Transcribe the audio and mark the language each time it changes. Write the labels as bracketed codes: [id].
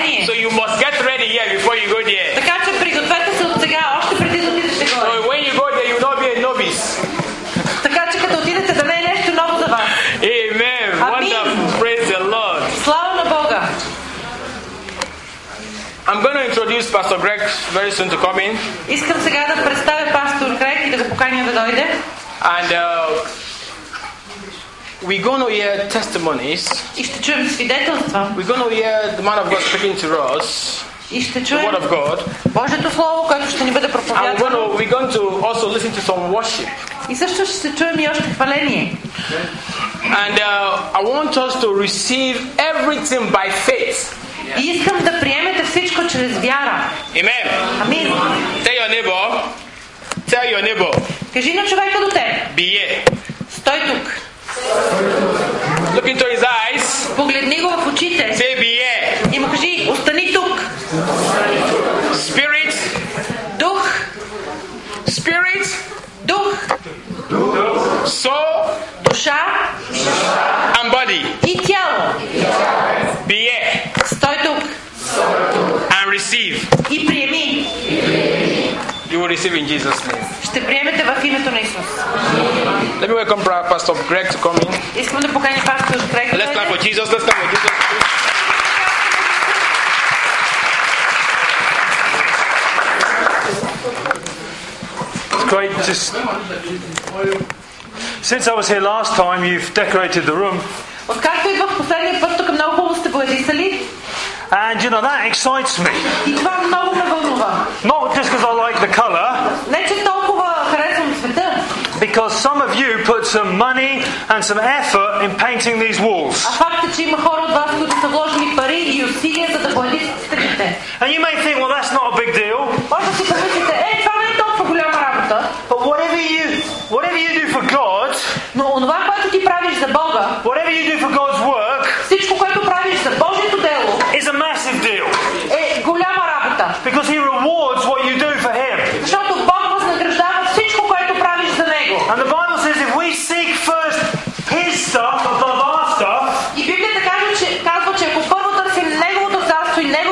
[en] So you must get ready here before you go there. [bg] Така че пригответе се от сега, още преди да отидете горе. [en] So when you go there, you will not be a novice. [bg] Така че като отидете, да не е нещо ново за вас. [en] Amen. Wonderful. Praise the Lord. [bg] Слава на Бога. [en] I'm going to introduce Pastor Greg very soon to come in. [bg] Искам сега да представя Пастор Грег и да го поканя да дойде. [en] And we're going to hear testimonies. [bg] И ще чуем свидетелства. [en] We're going to hear the man of God speaking to us. [bg] И ще чуем [en] the word of God. [bg] Божието слово, което ще ни бъде проповядано. [en] And we're going to also listen to some worship. [bg] И също ще чуем и още хваление. [en] And I want us to receive everything by faith. [bg] И искам да приемете всичко чрез вяра. [en] Amen. [bg] Амин. [en] Tell your neighbor. [bg] Кажи на човека до теб. Бие. Стой тук. [en] Look into his eyes. [bg] Погледни го в очите. [en] Say, be here. [bg] И му кажи, остани тук. [en] Spirit. [bg] Дух. [en] Spirit. [bg] Дух. Дух. [en] Soul. [bg] Душа. [en] And body. [bg] И тяло. [en] Be here. [bg] Стой тук. [en] And receive. [bg] И приеми. [en] You will receive in Jesus' name. [bg] Ще приемете в името на Исус. [en] Let me welcome Pastor Greg to come in. [bg] Искам да поканя Пастор Грег. [en] Let's clap for Jesus. Let's clap for Jesus. It's great. Since I was here last time, you've decorated the room. [bg] Откакто идвах последния път, тук много хубаво сте боядисали. [en] And you know, that excites me. [bg] И това много ме вълнува. [en] Not just because I like the color. [bg] Не че толкова харесвам цвета. [en] Because some of you put some money and some effort in painting these walls. [bg] А факта, че има хора от вас, които са вложили пари и усилия, за да боядисат стените. [en] And you may think, well, that's not a big deal. [bg] Може си помислите, е, това не е толкова голяма работа. [en] But whatever you do for God, [bg] но онова, което ти правиш за Бога, [en] whatever you do for God's work, [bg] всичко, което правиш за Божието дело, [en] is a massive deal. [bg] Е голяма работа. [en] Because he rewards what you do for him. [bg] Защото Бог възнаграждава всичко, което правиш за него. [en] And the Bible says if we seek first his stuff above our stuff, [bg] и Библията казва, че ако първо търсим неговото царство и